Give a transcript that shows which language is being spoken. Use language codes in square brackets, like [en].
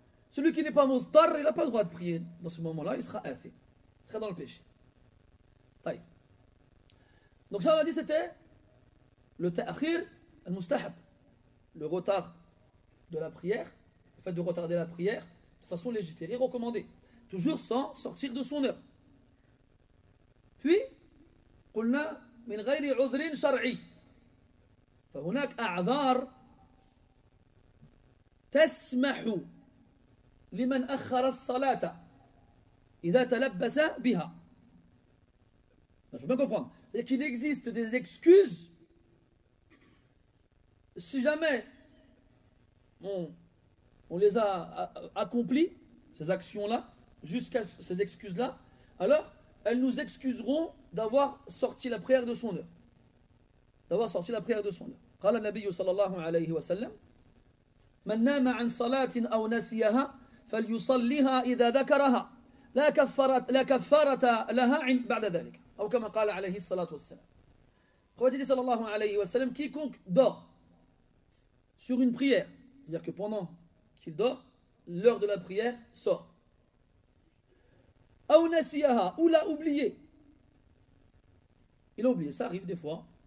[fr] Celui qui n'est pas muztar, il n'a pas le droit de prier dans ce moment-là, il sera athée, il sera dans le péché. Donc ça on a dit c'était le ta'khir al-mustahab, le retard de la prière, le fait de retarder la prière de façon légiférée, recommandée, toujours sans sortir de son heure. Puis, [ar] قلنا من غير عذر شرعي فهناك أعذار تسمح لمن أخر الصلاة إذا تلبس بها. [fr] Je veux bien comprendre. C'est qu'il existe des excuses si jamais on les a accomplies, ces actions-là, jusqu'à ces excuses-là, alors elles nous excuseront d'avoir sorti la prière de son heure. D'avoir sorti la prière de son heure. [ar] قال النبي صلى الله عليه وسلم من نام عن صلاة أو نسيها فليصليها إذا ذكرها لا كفارة لها بعد ذلك. أو كما قال عليه الصلاة والسلام. قال صلى الله عليه وسلم [fr] quiconque dort sur une prière, c'est-à-dire que pendant qu'il dort, l'heure de la prière sort. [ar] أو نسيها, [fr] ou l'a oublié. Il a oublié, ça arrive des fois.